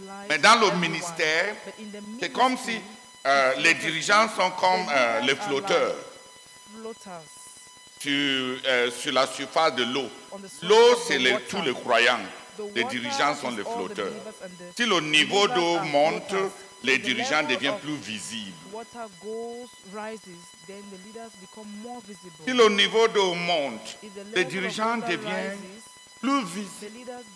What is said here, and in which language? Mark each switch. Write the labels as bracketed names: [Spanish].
[French] Mais dans le ministère, c'est comme si les dirigeants sont comme les flotteurs sur la surface de l'eau. L'eau, c'est tous les croyants. Les dirigeants sont les flotteurs. Si le niveau d'eau monte, les dirigeants deviennent plus visibles. [English] Water goes, rises, then the leaders become more visible. [French] Si le niveau d'eau monte, les dirigeants deviennent plus visibles.